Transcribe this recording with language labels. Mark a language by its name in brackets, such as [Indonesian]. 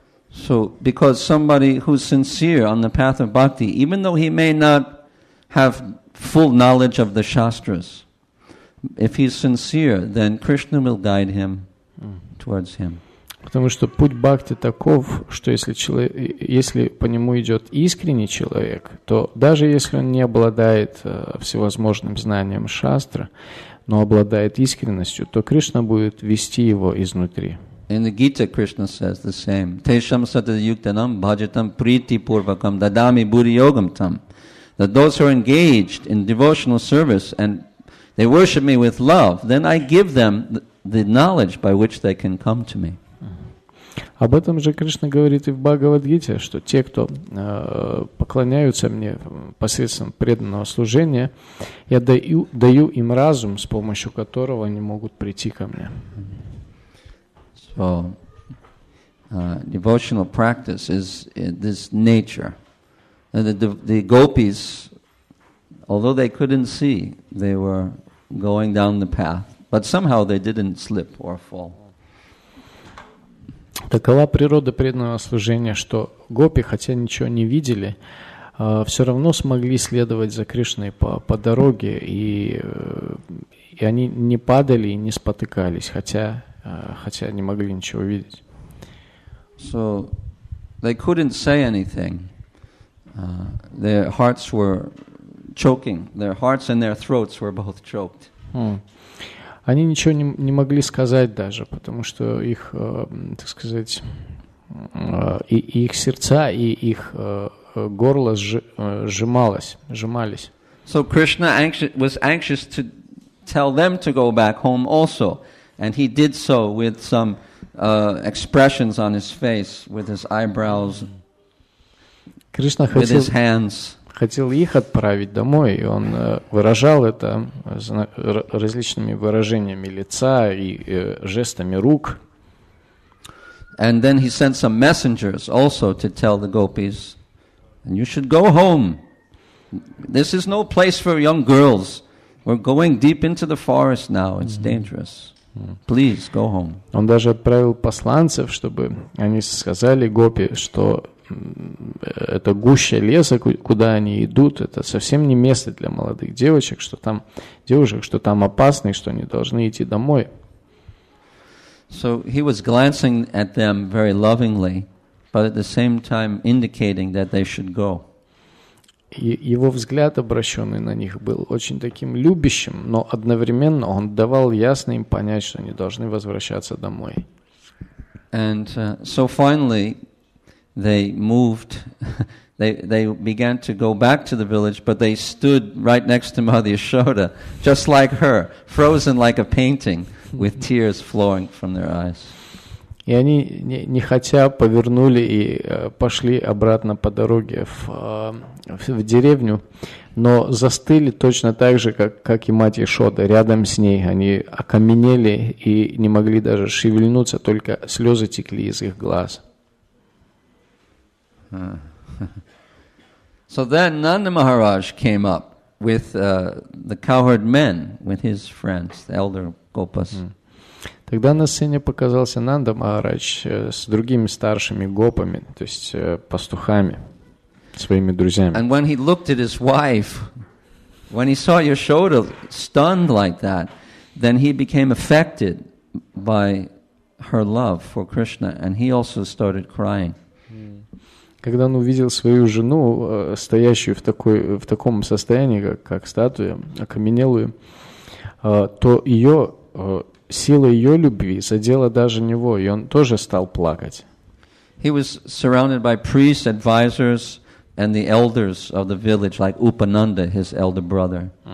[English] So, because somebody who's sincere on the path of bhakti, even though he may not have full knowledge of the shastras, if he's sincere, then Krishna will guide him towards him. [Russian] Потому что путь бхакти таков, что если по нему идет искренний человек, то даже если он не обладает всевозможным знанием шастры, но обладает искренностью, то Кришна будет вести его изнутри. [English] In the Gita, Krishna says the same. [Sanskrit] Tesham sata yuktanam bhajatam priti purvakam dadami buri yogam tam. [English] That those who are engaged in devotional service and they worship me with love, then I give them the knowledge by which they can come to me. [Russian] Об этом же Кришна говорит и в Бхагавад-гите, что те, кто поклоняются мне посредством преданного служения, я даю им разум, с помощью которого они могут прийти ко мне. [English] So, devotional practice is this nature. And the gopis, although they couldn't see, they were going down the path, but somehow they didn't slip or fall. [Russian] Такова природа преданного служения, что гопи, хотя ничего не видели, все равно смогли следовать за Кришной по дороге, и они не падали и не спотыкались, хотя не могли ничего видеть. [English] So they couldn't say anything. Their hearts were choking. Their hearts and their throats were both choked. [Russian] Они ничего не могли сказать даже, потому что их, так сказать, и их сердца, и их горло сжимались. [English] So Krishna was anxious to tell them to go back home also, and he did so with some expressions on his face, with his eyebrows, [Russian] Кришна [English] with his hands. [Russian] Хотел их отправить домой, и он выражал это различными выражениями лица и жестами рук. [English] And then he sent some messengers also to tell the gopis, and you should go home. This is no place for young girls. We're going deep into the forest now. It's dangerous. Please go home. [Russian] Он даже отправил посланцев, чтобы они сказали гопи, что это гуща леса, куда они идут, это совсем не место для молодых девочек, что там опасно, что они должны идти домой. [English] So he was glancing at them very lovingly, but at the same time indicating that they should go. [Russian] Его взгляд, обращенный на них, был очень таким любящим, но одновременно он давал ясно им понять, что они должны возвращаться домой. [English] And so finally they moved, they began to go back to the village, but they stood right next to Mother Yashoda, just like her, frozen like a painting, with tears flowing from their eyes. [Russian] И они не хотя повернули и пошли обратно по дороге в деревню, но застыли точно так же, как и мать Ишода, рядом с ней. Они окаменели и не могли даже шевельнуться, только слезы текли из их глаз. [English] So then Nanda Maharaj came up with the cowherd men, with his friends, the elder gopas. [Russian] Тогда на сцене показался Нанда Махарадж с другими старшими гопами, то есть пастухами, своими друзьями. [English] And when he looked at his wife, when he saw Yashoda stunned like that, then he became affected by her love for Krishna, and he also started crying. [Russian] Когда он увидел свою жену, стоящую в таком состоянии, как статуя, окаменелую, то сила ее любви задела даже него, и он тоже стал плакать. [English] He was surrounded by priests, advisors, and the elders of the village, like Upananda, his elder brother.